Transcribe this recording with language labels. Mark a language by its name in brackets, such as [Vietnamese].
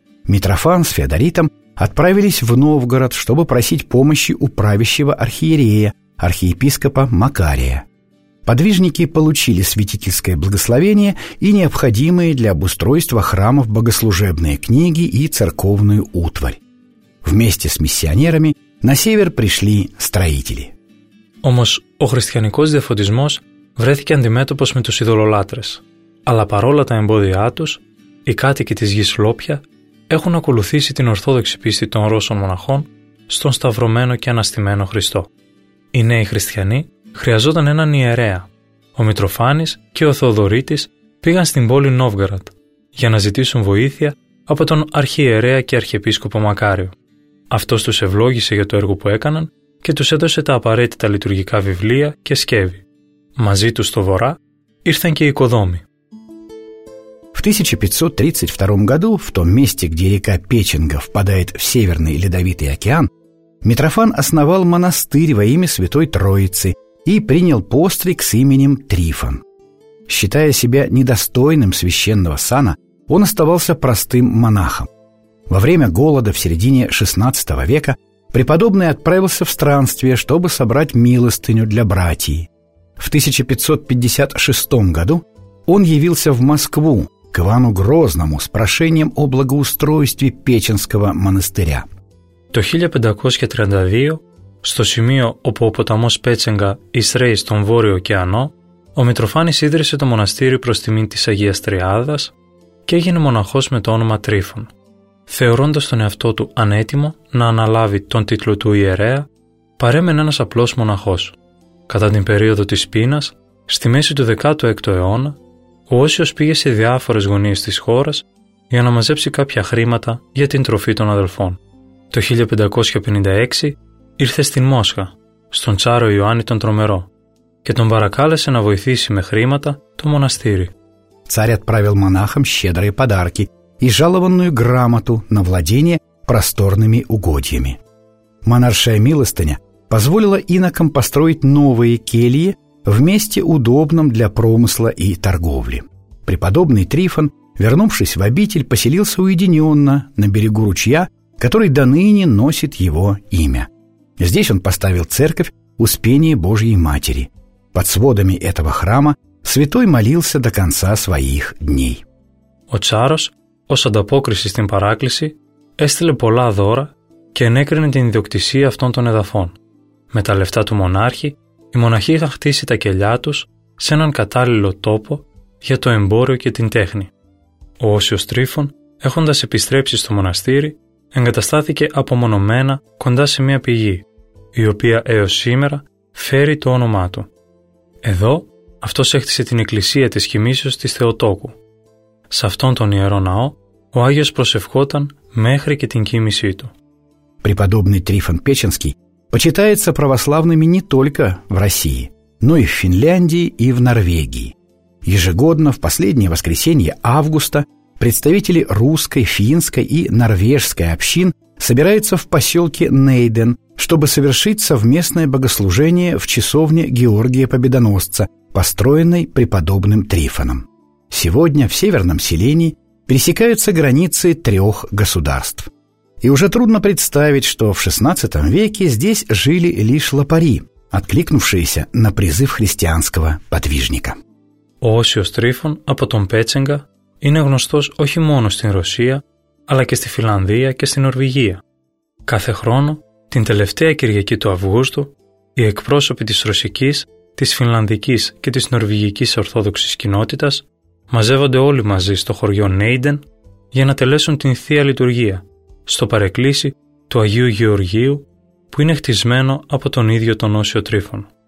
[Russian] Митрофан с Феодоритом отправились в Новгород, чтобы просить помощи у правящего архиерея, архиепископа Макария. Подвижники получили святительское благословение и необходимые для обустройства храмов богослужебные книги и церковную утварь. Вместе с миссионерами на север пришли строители. [Greek] Όμως ο χριστιανικός διαφωτισμός βρέθηκε αντιμέτωπος με τους ειδωλολάτρες. Αλλά παρόλα τα εμπόδια τους, οι κάτοικοι της γης Λόπια έχουν ακολουθήσει την ορθόδοξη πίστη των Ρώσων μοναχών στον σταυρωμένο και αναστημένο Χριστό. Οι νέοι χριστιανοί χρειαζόταν έναν ιερέα. Ο Μητροφάνης και ο Θεοδωρίτης πήγαν στην πόλη Νόβγαρατ για να ζητήσουν βοήθεια από τον αρχιερέα και αρχιεπίσκοπο Μακάριο. Αυτός τους ευλόγησε για το έργο που έκαναν και τους έδωσε τα απαραίτητα λειτουργικά βιβλία και σκεύη. Μαζί τους στο βορρά ήρθαν και οι οικοδόμοι. [Russian] В 1532 году, в том месте, где река Печенга впадает в Северный Ледовитый океан, Митрофан основал монастырь во имя Святой Троицы и принял постриг с именем Трифон. Считая себя недостойным священного сана, он оставался простым монахом. Во время голода в середине XVI века преподобный отправился в странствие, чтобы собрать милостыню для братьев. В 1556 году он явился в Москву к Ивану Грозному с прошением о благоустройстве Печенского монастыря. [Greek] Το 1532, στο σημείο όπου ο ποταμός Πέτσενγκα εισρέει στον Βόρειο ωκεανό, ο Μητροφάνης ίδρυσε το μοναστήρι προς τιμήν της Αγίας Τριάδας και έγινε μοναχός με το όνομα Τρίφων. Θεωρώντας τον εαυτό του ανέτοιμο να αναλάβει τον τίτλο του ιερέα, παρέμενε ένας απλός μοναχός. Κατά την περίοδο της πείνας, στη μέση του 16ου αιώνα, ο Όσιος πήγε σε διάφορες γωνίες της χώρας για να μαζέψει κάποια χρήματα για την τροφή των αδελφών. Το 1556 ήρθε στην Μόσχα, στον Τσάρο Ιωάννη τον Τρομερό, και τον παρακάλεσε να βοηθήσει με χρήματα το μοναστήρι. [Russian] Царь отправил монахам щедрые подарки и жалованную грамоту на владение просторными угодьями. Монаршая милостыня позволила инокам построить новые кельи в месте, удобном для промысла и торговли. Преподобный Трифон, вернувшись в обитель, поселился уединенно на берегу ручья, который до ныне носит его имя. Здесь он поставил церковь Успения Божьей Матери. Под сводами этого храма святой молился до конца своих дней. [Greek] Ο Τσάρος, ως ανταπόκριση στην παράκληση, έστειλε πολλά δώρα και ενέκρινε την ιδιοκτησία αυτών των εδαφών. Με τα λεφτά του μονάρχη, οι μοναχοί είχαν χτίσει τα κελιά τους σε έναν κατάλληλο τόπο για το εμπόριο και την τέχνη. Ο Όσιος Τρίφων, έχοντας επιστρέψει στο μοναστήρι, εγκαταστάθηκε απομονωμένα κοντά σε μια πηγή, η οποία έως σήμερα φέρει το όνομά του. Εδώ, αυτός έκτισε την εκκλησία της Κοιμήσεως της Θεοτόκου. Σε αυτόν τον ιερό ναό, ο Άγιος προσευχόταν μέχρι και την κοίμησή του. [Russian] Преподобный Трифон Печенский почитается православными не только в России, но и в Финляндии и в Норвегии. Ежегодно в последнее воскресенье августа представители русской, финской и норвежской общин собираются в поселке Нейден, чтобы совершить совместное богослужение в часовне Георгия Победоносца, построенной преподобным Трифоном. Сегодня в северном селении пересекаются границы трех государств. И уже трудно представить, что в XVI веке здесь жили лишь лопари, откликнувшиеся на призыв христианского подвижника. [Greek] Осиос Трифон, а потом Пецинга, είναι γνωστός όχι μόνο στην Ρωσία, αλλά και στη Φιλανδία και στη Νορβηγία. Κάθε χρόνο, την τελευταία Κυριακή του Αυγούστου, οι εκπρόσωποι της Ρωσικής, της Φινλανδικής και της Νορβηγικής Ορθόδοξης Κοινότητας μαζεύονται όλοι μαζί στο χωριό Νέιντεν για να τελέσουν την Θεία Λειτουργία στο παρεκκλήσι του Αγίου Γεωργίου που είναι χτισμένο από τον ίδιο τον Όσιο Τρίφων.